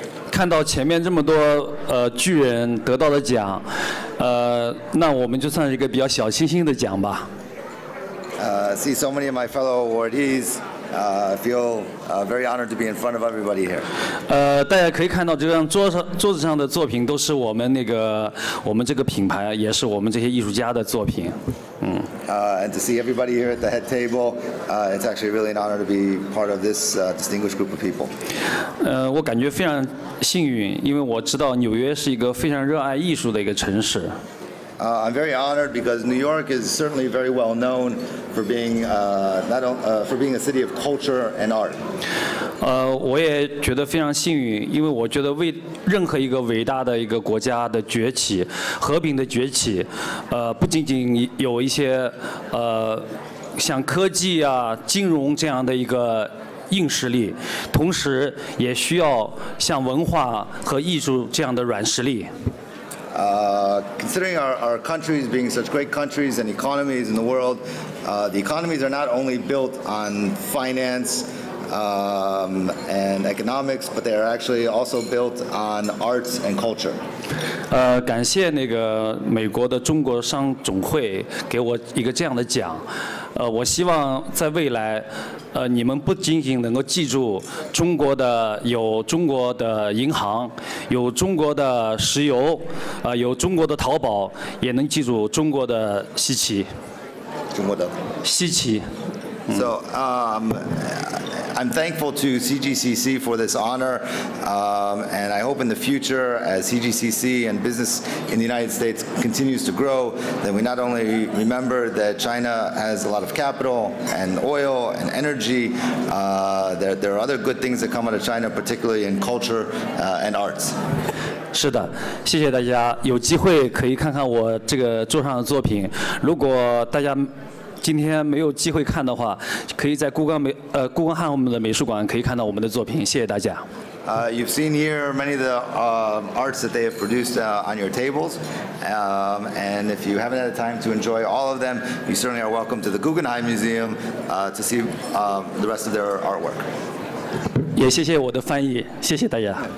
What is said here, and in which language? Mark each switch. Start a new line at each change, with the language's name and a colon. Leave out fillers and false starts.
Chinese: 看到前面这么多巨人得到的奖，那我们就算是一个比较小星星的奖吧。
English: See so many of my fellow awardees. Very honored to be in front of everybody here.
Chinese: 大家可以看到这张桌子上的作品都是我们那个我们这个品牌，也是我们这些艺术家的作品。
English: And to see everybody here at the head table, it's actually really an honor to be part of this distinguished group of people.
Chinese: 我感觉非常幸运，因为我知道纽约是一个非常热爱艺术的一个城市。
English: I'm very honored because New York is certainly very well known for being for being a city of culture and art.
Chinese: 我也觉得非常幸运，因为我觉得为任何一个伟大的一个国家的崛起，和平的崛起，不仅仅有一些像科技啊、金融这样的一个硬实力，同时也需要像文化和艺术这样的软实力。
English: Considering our countries being such great countries and economies in the world, the economies are not only built on finance, and economics, but they are actually also built on arts and culture.
Chinese: 感谢那个美国的中国商总会给我一个这样的奖。我希望在未来，你们不仅仅能够记住中国的有中国的银行，有中国的石油，有中国的淘宝，也能记住中国的西奇。中国的西奇。
English: So, I'm thankful to CGCC for this honor, and I hope in the future, as CGCC and business in the United States continues to grow, that we not only remember that China has a lot of capital and oil and energy, there are other good things that come out of China, particularly in culture, and arts.
Chinese: 是的，谢谢大家。有机会可以看看我这个桌上的作品。如果大家今天没有机会看的话，可以在故宫汉我们的美术馆可以看到我们的作品。谢谢大家。
English: You've seen here many of the arts that they have produced on your tables, and if you haven't had time to enjoy all of them, you certainly are welcome to the Guggenheim Museum to see the rest of their artwork.
Chinese: 也谢谢我的翻译，谢谢大家。